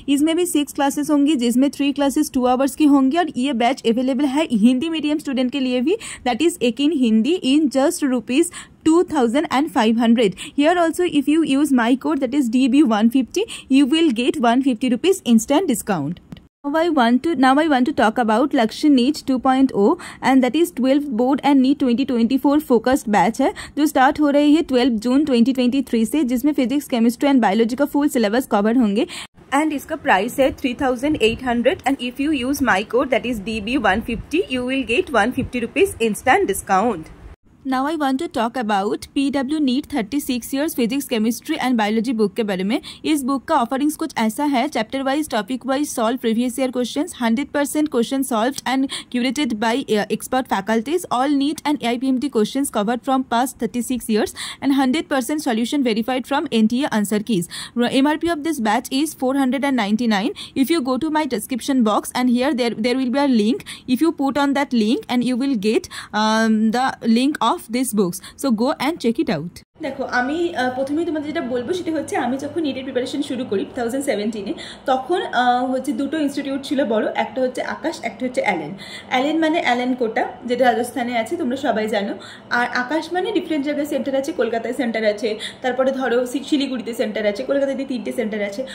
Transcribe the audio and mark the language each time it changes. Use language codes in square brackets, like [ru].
[hi] इसमें भी 6 क्लासेस होंगी, जिसमें 3 क्लासेस 2 आवर्स की होंगी, और ये बैच अवेलेबल है हिंदी मीडियम स्टूडेंट के लिए भी, [en] That is 18 Hindi in ₹2,500। Here also if you use my code that is DB150 you will get ₹150 instant discount. Now I want to talk about Lakshya NEET 2.0 and that is 12th board and NEET 2024 focused batch [hi] है जो start हो रही है 12 June 2023 से, जिसमें physics, chemistry and biology का full syllabus covered होंगे। [en] And इसका price है 3,800 and if you use my code that is DB150 you will get ₹150 instant discount. Now I want to talk about PW NEET 36 years physics, chemistry and biology book [hi] के बारे में। इस book का offerings कुछ ऐसा है, [en] chapter wise, topic wise, solved previous year questions, 100% question solved and curated by expert faculties, all NEET and AIPMT questions covered from past 36 years and 100% solution verified from NTA answer keys. MRP of this batch is 499. If you go to my description box and here there will be a link, if you put on that link and you will get the link of this books, so go and check it out. [bn] দেখো, আমি প্রথমেই তোমাদের যেটা বলবো সেটা হচ্ছে, আমি যখন নিটের প্রিপারেশন শুরু করি 2017-এ, তখন হচ্ছে দুটো ইনস্টিটিউট ছিল বড়, একটা হচ্ছে আকাশ, একটা হচ্ছে অ্যালেন। অ্যালেন মানে অ্যালেন কোটা, যেটা রাজস্থানে আছে তোমরা সবাই জানো, আর আকাশ মানে ডিফারেন্ট জায়গায় সেন্টার আছে, কলকাতায় সেন্টার আছে, তারপরে ধরো শিলিগুড়িতে সেন্টার আছে, কলকাতাতে তিনটে সেন্টার আছে।